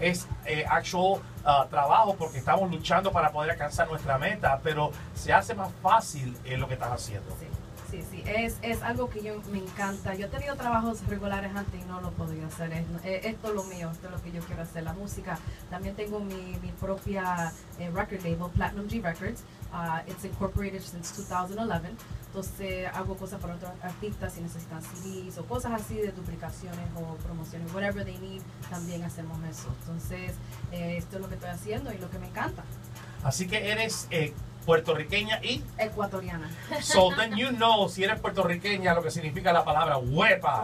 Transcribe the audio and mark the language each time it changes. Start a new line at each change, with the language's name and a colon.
Spanish: Es trabajo, porque estamos luchando para poder alcanzar nuestra meta, pero se hace más fácil lo que estás haciendo. Sí, es algo que yo me encanta. Yo he tenido trabajos regulares antes y no lo podía hacer. Esto es lo mío, esto es lo que yo quiero hacer, la música. También tengo mi propia record label, Platinum G Records.
English: It's incorporated since 2011.
Spanish: Entonces hago cosas para otros artistas si necesitan CDs o cosas así de duplicaciones o promociones, whatever they need, también hacemos eso. Entonces esto es lo que estoy haciendo y lo que me encanta. Así que eres puertorriqueña y ecuatoriana.
English: So then you know si eres puertorriqueña lo que significa la palabra huepa.